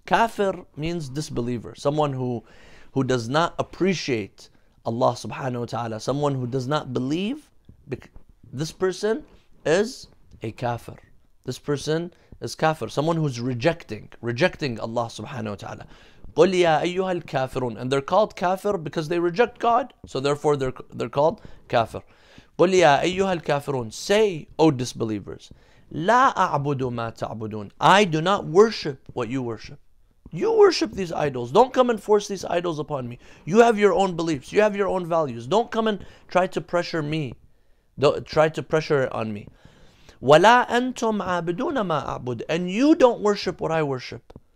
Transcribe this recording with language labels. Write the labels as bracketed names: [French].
[English] Kafir means disbeliever. Someone who does not appreciate Allah subhanahu wa ta'ala. Someone who does not believe. This person is a kafir. This person is kafir, someone who's rejecting Allah subhanahu wa ta'ala. [Arabic] قُلْ يَا أَيُّهَا الْكَافِرُونَ. [English] And they're called kafir because they reject God, so therefore they're called kafir. [Arabic] قُلْ يَا أَيُّهَا الْكَافِرُونَ. [English] Say, O disbelievers, [Arabic] لَا أَعْبُدُ مَا تَعْبُدُونَ. [English] I do not worship what you worship. You worship these idols. Don't come and force these idols upon me. You have your own beliefs. You have your own values. Don't come and try to pressure me. Don't try to pressure it on me. [Arabic] وَلَا أَنْتُمْ عَابِدُونَ مَا أَعْبُدُ. [English] And you don't worship what I worship.